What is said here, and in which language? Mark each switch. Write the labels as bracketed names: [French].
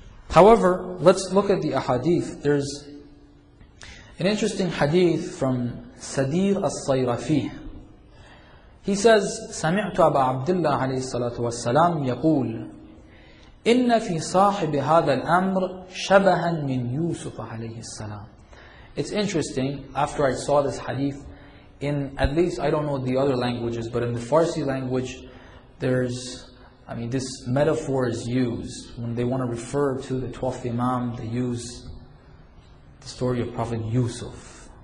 [English] However, let's look at the ahadith. There's an interesting hadith from Sadir al-Sayrafi. He says, [Arabic] سمعت أبا عبد الله عليه الصلاة والسلام يقول إن في صاحب هذا الأمر شبها من يوسف عليه السلام. [English] It's interesting, after I saw this hadith, in at least, I don't know the other languages, but in the Farsi language, this metaphor is used. When they want to refer to the 12th Imam, they use the story of Prophet Yusuf.